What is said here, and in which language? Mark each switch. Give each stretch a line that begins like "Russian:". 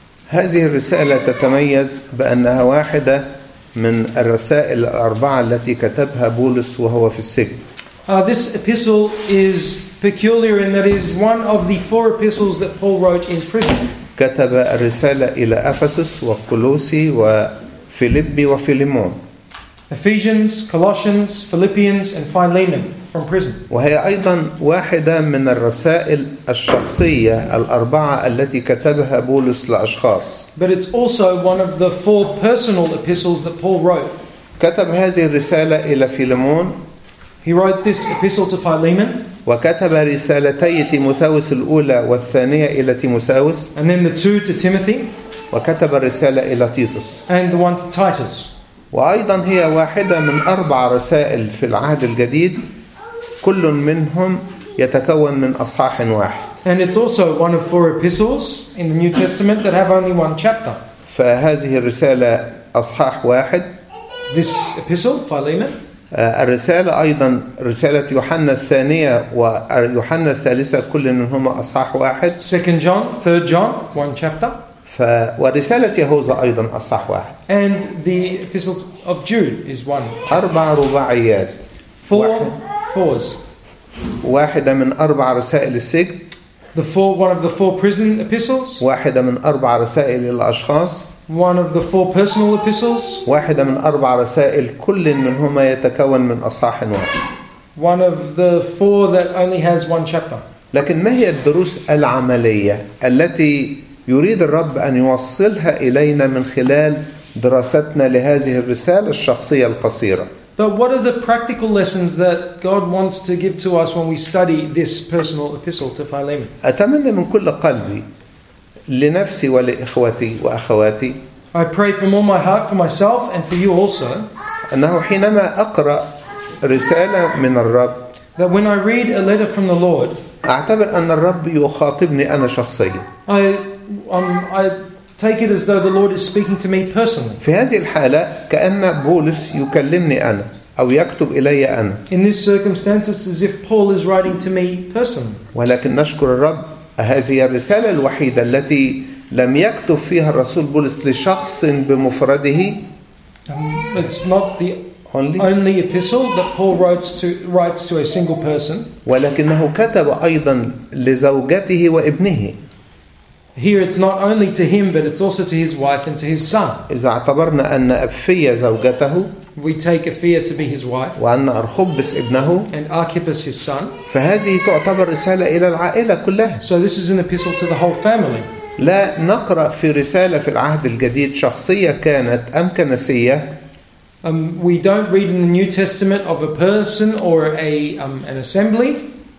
Arabic: هذه الرسالة تتميز بأنها واحدة من الرسائل الأربعة التي كتبها بولس وهو في السجن.
English: This epistle is peculiar in that it is one of the four epistles that Paul wrote in prison.
Arabic: كتب الرسالة إلى أفسس وكولوسي وفيليبي وفيليمون.
English: Ephesians, Colossians, Philippians, and Philemon from prison.
Arabic: وهي أيضا واحدة من الرسائل الشخصية الأربعة التي كتبها بولس لأشخاص.
English: But it's also one of the four personal epistles that Paul wrote.
Arabic: كتب هذه الرسالة إلى فيلمون.
English: He wrote this epistle to Philemon.
Arabic: وكتب رسالتي تيموثاوس الأولى والثانية إلى تيموثاوس.
English: And then the two to Timothy.
Arabic: وكتب الرسالة إلى تيتوس.
English: And the one to Titus.
Arabic: وأيضا هي واحدة من أربع رسائل في العهد الجديد، كل منهم يتكون من أصحاح واحد.
English: And it's also one of four epistles in the New Testament that have only one chapter.
Arabic: فهذه الرسالة أصحاح واحد.
English: This epistle, Philemon.
Arabic: الرسالة أيضا رسالة يوحنا الثانية ويوحنا الثالثة كل منهما أصحاح واحد.
English: Second John, Third John, one chapter.
Arabic: ورسالة يهوذا أيضا أصحاح واحد.
English: And the epistle of Jude is one.
Arabic: أربع رباعيات.
English: Four fours.
Arabic: واحدة من أربع رسائل السجن.
English: The four, one of the four prison epistles.
Arabic: واحدة من أربع رسائل للأشخاص.
English: One of the four personal epistles.
Arabic: واحدة من أربع رسائل كل منهما يتكون من أصحاح واحد.
English: One of the four that only has one chapter.
Arabic: لكن ما هي الدروس العملية التي يريد الرب أن يوصلها إلينا من خلال دراستنا لهذه الرسالة الشخصية القصيرة؟
English: But what are the practical lessons that God wants to give to us when we study this personal epistle to Philemon?
Arabic: أتمنى من كل قلبي لنفسي ولإخوتي وأخواتي.
English: I pray from all my heart for myself and for you also.
Arabic: أنه حينما أقرأ رسالة من الرب.
English: That when I read a letter from the Lord.
Arabic: أعتبر أن الرب يخاطبني أنا شخصيا.
English: I take it as though the Lord is speaking to me personally.
Arabic: في هذه الحالة كأن بولس يكلمني أنا أو يكتب إلي أنا.
English: In this circumstance, it's as if Paul is writing to me personally.
Arabic: ولكن نشكر الرب. هذه الرسالة الوحيدة التي لم يكتب فيها الرسول بولس لشخص بمفرده.
English: It's not the only epistle that Paul writes to a single person.
Arabic: ولكنه كتب أيضا لزوجته وابنه.
English: Here it's not only to him, but it's also to his wife and to his son.
Arabic: إذا اعتبرنا أن أبفية زوجته.
English: We take Apphia to be his wife.
Arabic: وأن أرخبس ابنه.
English: And Archippus his son.
Arabic: فهذه تعتبر رسالة إلى العائلة كلها.
English: So this is an epistle to the whole family.
Arabic: لا نقرأ في رسالة في العهد الجديد شخصية كانت أم كنسية.
English: We don't read in the New Testament of a person or a an assembly.